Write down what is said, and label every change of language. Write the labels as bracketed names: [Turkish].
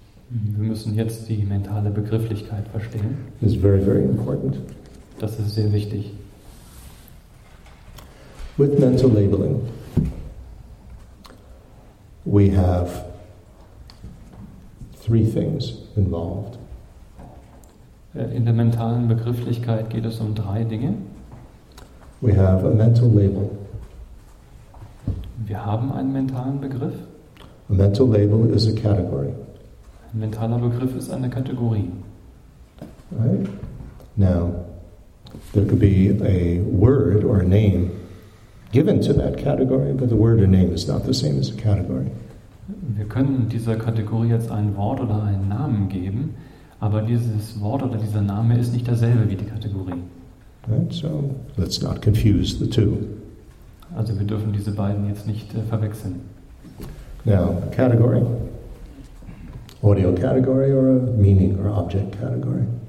[German] Wir müssen jetzt die mentale Begrifflichkeit verstehen. [English] This is very, very important. [German] Das ist sehr wichtig. [English] With mental labeling, we have three things involved. [German] In der mentalen Begrifflichkeit geht es um drei Dinge. [English] We have a mental label. [German] Wir haben einen mentalen Begriff. [English] A mental label is a category. [German] Ein mentaler Begriff ist eine Kategorie. [English] Right? Now, there could be a word or a name given to that category, but the word or name is not the same as a category. [German] Wir können dieser Kategorie jetzt ein Wort oder einen Namen geben, aber dieses Wort oder dieser Name ist nicht dasselbe wie die Kategorie. [English] Right, so let's not confuse the two. [German] Also wir dürfen diese beiden jetzt nicht verwechseln. [English] Now, a category, audio category or a meaning or object category.